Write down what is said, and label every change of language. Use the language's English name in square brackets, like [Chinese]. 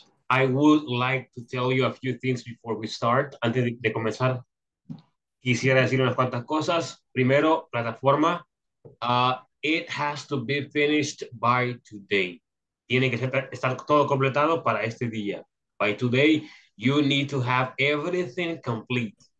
[English] I would like to tell you a few things before we start. [Spanish] Antes de comenzar, quisiera decir unas cuantas cosas. Primero, plataforma. [English] It has to be finished by today. [Spanish] Tiene que estar todo completado para este día. [English] By today, you need to have everything complete.